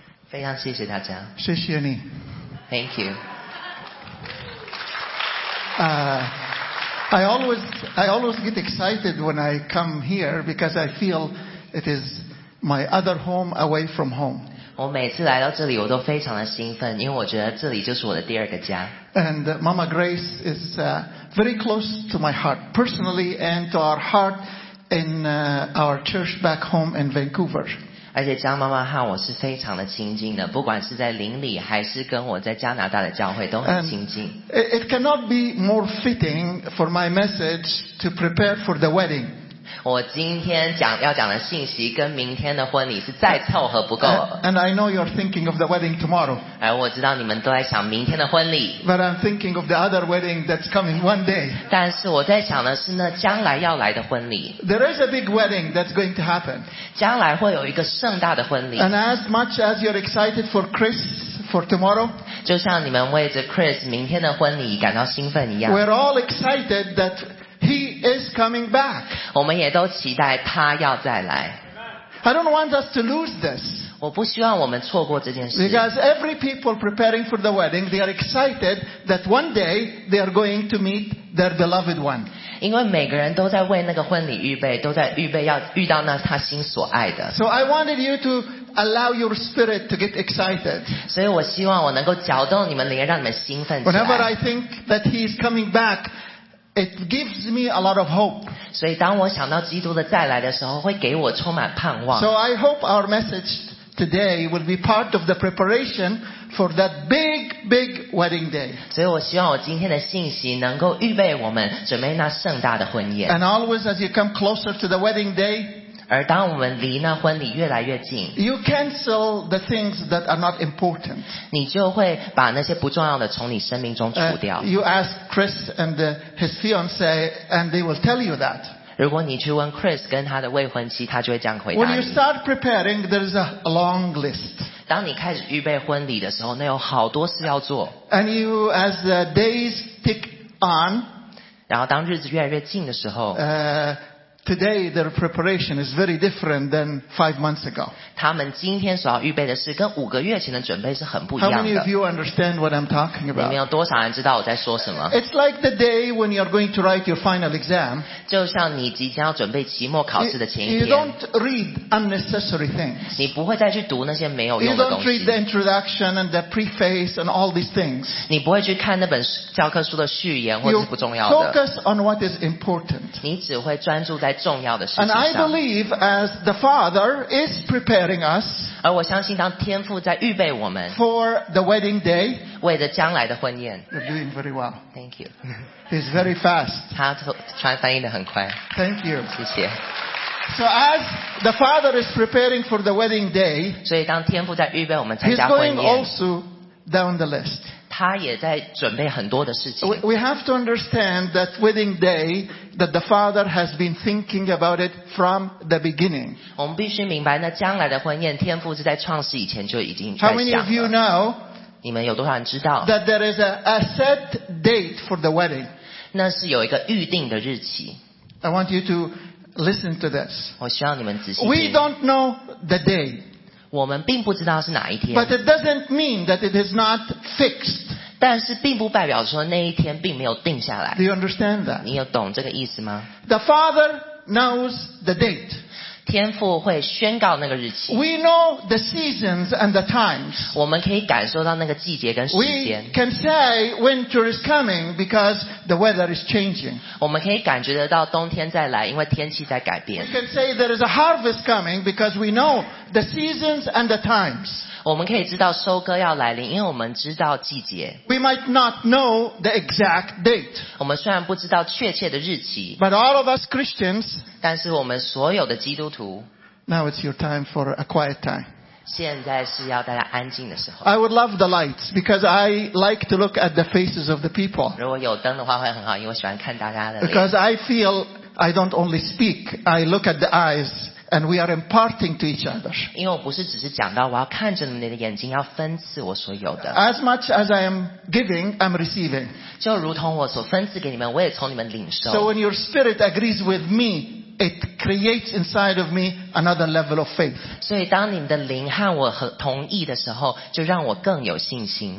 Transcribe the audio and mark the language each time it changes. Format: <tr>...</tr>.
<zh>非常谢谢大家。谢谢你。</zh> <en>Thank you. I always get excited when I come here because I feel it is my other home away from home.</en> <zh>我每次来到这里，我都非常的兴奋，因为我觉得这里就是我的第二个家。</zh> <en>And Mama Grace is very close to my heart, personally, and to our heart in our church back home in Vancouver.</en> <zh>而且张妈妈和我是非常的亲近的，不管是在邻里，还是跟我在加拿大的教会都很亲近。</zh> <en>It cannot be more fitting for my message to prepare for the wedding.</en> <zh>我今天要讲的信息跟明天的婚礼是再凑合不够。</zh> <en>And I know you're thinking of the wedding tomorrow.</en> <zh>而我知道你们都在想明天的婚礼。</zh> <en>But I'm thinking of the other wedding that's coming one day.</en> <zh>但是我在想的是那将来要来的婚礼。</zh> <en>There is a big wedding that's going to happen.</en> <zh>将来会有一个盛大的婚礼。</zh> <en>And as much as you're excited for Chris. For tomorrow,</en> <zh>就像你们为着 Chris 明天的婚礼感到兴奋一样。</zh> <en>We're all excited that he is coming back.</en> <zh>我们也都期待他要再来。</zh> <en>I don't want us to lose this.</en> <zh>我不希望我们错过这件事。</zh> <en>Because every people preparing for the wedding, they are excited that one day they are going to meet their beloved one.</en> <zh>因为每个人都在为那个婚礼预备，都在预备要遇到那他心所爱的。</zh> <en>So I wanted you to. Allow your spirit to get excited.</en> <zh>所以我希望我能够搅动你们灵，让你们兴奋起来。</zh> <en>Whenever I think that he is coming back, it gives me a lot of hope.</en> <zh>所以当我想到基督的再来的时候，会给我充满盼望。</zh> <en>So I hope our message today will be part of the preparation for that big, big wedding day.</en> <zh>所以我希望我今天的信息能够预备我们准备那盛大的婚宴。</zh> <en>And always as you come closer to the wedding day.</en> <zh>而当我们离那婚礼越来越近</zh> <en>，You cancel the things that are not important.</en> <zh>你就会把那些不重要的从你生命中除掉。</zh> <en>You ask Chris and his fiance, and they will tell you that.</en> <zh>如果你去问 Chris 跟他的未婚妻，他就会这样回答你。</zh> <en>When you start preparing, there is a long list.</en> <zh>当你开始预备婚礼的时候，那有好多事要做。</zh> <en>And you, as the days tick on,</en> <zh>然后当日子越来越近的时候。</zh> <en>Today their preparation is very different than 5 months ago.</en> <zh>他们今天所要预备的事跟五个月前的准备是很不一样的。</zh> <en>How many of you understand what I'm talking about?</en> <zh>你们有多少人知道我在说什么？</zh> <en>It's like the day when you're going to write your final exam.</en> <zh>就像你即将要准备期末考试的前一天。</zh> <en>You don't read unnecessary things.</en> <zh>你不会再去读那些没有用的东西。</zh> <en>You don't read the introduction and the preface and all these things.</en> <zh>你不会去看那本教科书的序言或者是不重要的。</zh> <en>You focus on what is important.</en> <zh>你只会专注在重要的事情上。</zh> <en>And I believe as the Father is preparing us,</en> <zh>而我相信当天父在预备我们</zh> <en>for the wedding day,</en> <zh>为了将来的婚宴。</zh> <en>You're doing very well. Thank you. He's very fast.</en> <zh>他传翻译得很快。</zh> <en>Thank you.</en> <zh>谢谢。</zh> <en>So as the Father is preparing for the wedding day,</en> <zh>所以当天父在预备我们参加婚宴</zh> <en>He's going also down the list.</en> <zh>他也在准备很多的事情。</zh> <en>We have to understand that wedding day that the Father has been thinking about it from the beginning.</en> <zh>我们必须明白，那将来的婚宴，天父是在创世以前就已经在想了。</zh> <en>How many of you know?</en> <zh>你们有多少人知道</zh> <en>？That there is a set date for the wedding.</en> <zh>那是有一个预定的日期。</zh> <en>I want you to listen to this.</en> <zh>我希望你们仔细听。</zh> <en>We don't know the day.</en> <zh>我们并不知道是哪一天。</zh> <en>But it doesn't mean that it is not fixed.</en> <zh>但是并不代表说那一天并没有定下来。</zh> <en>Do you understand that?</en> <zh>你有懂这个意思吗</zh> <en>？The Father knows the date.</en> <zh>天父会宣告那个日期。</zh> <en>We know the seasons and the times.</en> <zh>我们可以感受到那个季节跟时间。</zh> <en>We can say winter is coming because the weather is changing.</en> <zh>我们可以感觉得到冬天再来，因为天气在改变。</zh> <en>We can say there is a harvest coming because we know. The seasons and the times.</en> <zh>我们可以知道收割要来临，因为我们知道季节。</zh> <en>We might not know the exact date.</en> <zh>我们虽然不知道确切的日期。</zh> <en>But all of us Christians.</en> <zh>但是我们所有的基督徒。</zh> <en>Now it's your time for a quiet time.</en> <zh>现在是要大家安静的时候。</zh> <en>I would love the lights because I like to look at the faces of the people.</en> <zh>如果有灯的话会很好，因为我喜欢看大家的脸。</zh> <en>Because I feel I don't only speak, I look at the eyes. And we are imparting to each other.</en> <zh>因为我不是只是讲到，我要看着你的眼睛，要分赐我所有的。</zh> <en>As much as I am giving, I'm receiving.</en> <zh>就如同我所分赐给你们，我也从你们领受。</zh> <en>So when your spirit agrees with me, it creates inside of me another level of faith.</en> <zh>所以当你们的灵和我同意的时候，就让我更有信心。</zh>